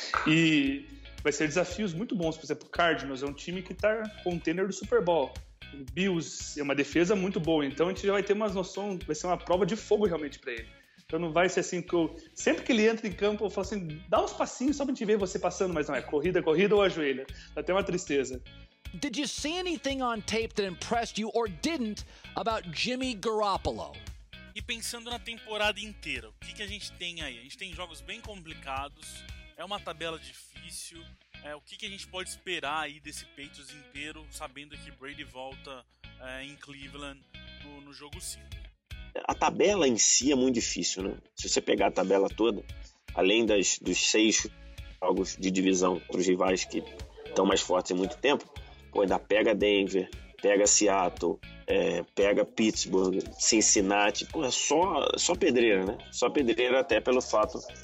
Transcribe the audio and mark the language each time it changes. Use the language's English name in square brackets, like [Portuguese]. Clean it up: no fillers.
[Portuguese] E vai ser desafios muito bons. Por exemplo, o Cardinals é um time que está contender do Super Bowl. O Bills é uma defesa muito boa. Então a gente já vai ter umas noções, vai ser uma prova de fogo realmente para ele. Então não vai ser assim que eu... Sempre que ele entra em campo, eu falo assim, dá uns passinhos só pra gente ver você passando, mas não é corrida ou ajoelha. Dá até uma tristeza. [English] Did you see anything on tape that impressed you or didn't about Jimmy Garoppolo? [Portuguese] E pensando na temporada inteira, o que a gente tem aí? A gente tem jogos bem complicados, é uma tabela difícil. O que a gente pode esperar aí desse Patriots inteiro, sabendo que Brady volta em Cleveland no jogo 5? A tabela em si é muito difícil, né? Se você pegar a tabela toda, além dos seis jogos de divisão para os rivais que estão mais fortes há muito tempo, pô, ainda pega Denver, pega Seattle, pega Pittsburgh, Cincinnati, pô, é só pedreira, né? Só pedreira até pelo fato